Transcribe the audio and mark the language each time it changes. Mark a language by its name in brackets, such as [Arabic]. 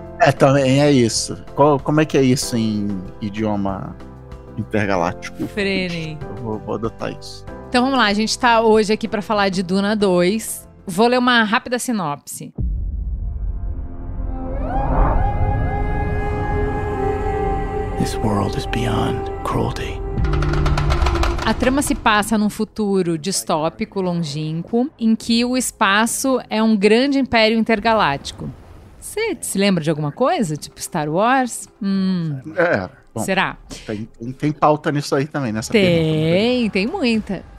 [Portuguese] É, também é isso. Como é que é isso em idioma intergaláctico? Frenem. Vou adotar isso. Então vamos lá, a gente tá hoje aqui para falar de Duna 2. Vou ler uma rápida sinopse. [English] This world is beyond cruelty. [Portuguese] A trama se passa num futuro distópico, longínquo, em que o espaço é um grande império intergaláctico. Você se lembra de alguma coisa? Tipo Star Wars? É. Bom, será? Tem pauta nisso aí também, nessa pergunta. Tem muita.